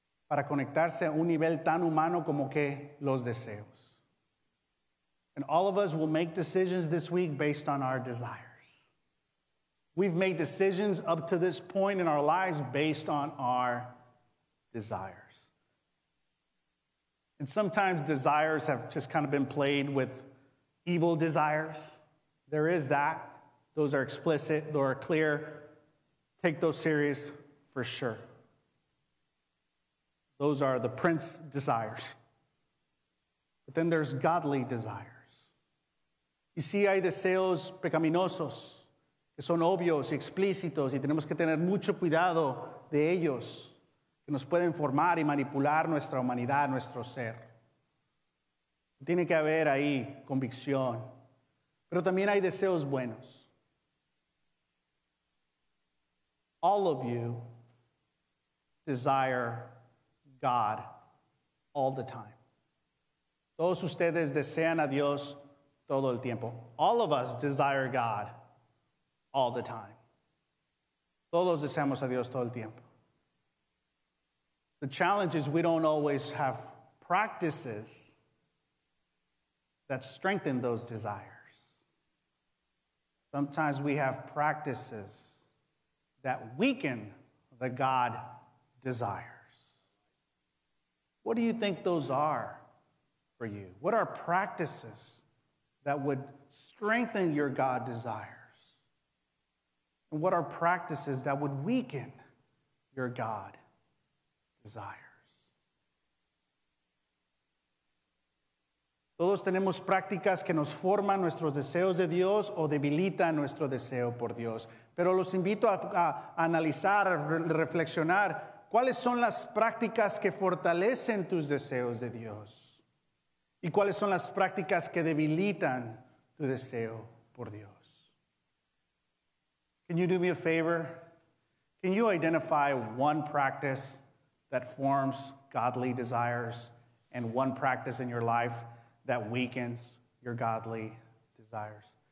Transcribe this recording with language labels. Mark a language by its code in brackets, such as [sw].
[es] Para conectarse a un nivel tan humano como que los deseos. [en] And all of us will make decisions this week based on our desires. We've made decisions up to this point in our lives based on our desires. And sometimes desires have just kind of been played with evil desires. There is that. Those are explicit. Those are clear. Take those serious for sure. Those are the prince desires. But then there's godly desires. [es] Y sí hay deseos pecaminosos, que son obvios y explícitos, y tenemos que tener mucho cuidado de ellos, que nos pueden formar y manipular nuestra humanidad, nuestro ser. Tiene que haber ahí convicción. Pero también hay deseos buenos. [en] All of you desire God all the time. [es] Todos ustedes desean a Dios todo el tiempo. [en] All of us desire God all the time. [es] Todos deseamos a Dios todo el tiempo. [en] The challenge is we don't always have practices that strengthen those desires. Sometimes we have practices that weaken the God desire. What do you think those are for you? What are practices that would strengthen your God desires? And what are practices that would weaken your God desires? [es] Todos tenemos prácticas que nos forman nuestros deseos de Dios o debilitan nuestro deseo por Dios. Pero los invito a analizar, a reflexionar. ¿Cuáles son las prácticas que fortalecen tus deseos de Dios? ¿Y cuáles son las prácticas que debilitan tu deseo por Dios? [en] Can you do me a favor? Can you identify one practice that forms godly desires and one practice in your life that weakens your godly desires?